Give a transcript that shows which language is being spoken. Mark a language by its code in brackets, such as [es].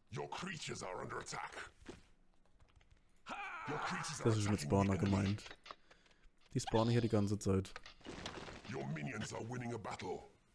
[en] creatures are under attack. [de] Das ist mit Spawner gemeint. Die spawnen hier die ganze Zeit. [en] Your minions are winning a battle.